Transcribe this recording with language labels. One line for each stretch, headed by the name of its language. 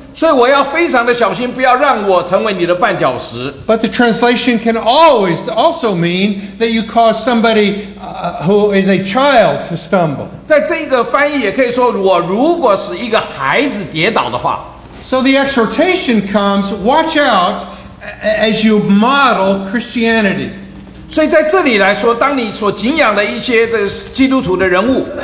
Chinese: 所以我要非常的小心，不要让我成为你的绊脚石。
English: But the translation can always also mean that you cause somebody. Who is a child to stumble.
Chinese: 在这个翻译也可以说我如果是一个孩子跌倒的话。
English: So the exhortation comes, watch out as you model Christianity.
Chinese: 所以在这里来说当你所敬仰的一些的基督徒的人物。